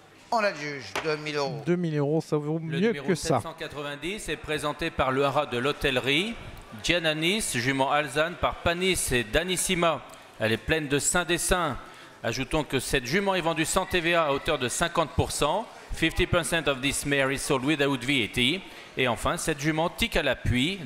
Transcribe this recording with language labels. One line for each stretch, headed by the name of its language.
French: On la juge, 2000 euros. 2000 euros, ça vaut mieux que ça. Le numéro 790 est présenté par le hara de l'hôtellerie. Giannanis, jument Alzane, par Panis et Danissima. Elle est pleine de Saint-Dessin. Ajoutons que cette jument est vendue sans TVA à hauteur de 50%.
English: 50% of this mare is sold without VAT.
French: Et enfin, cette jument tic à l'appui.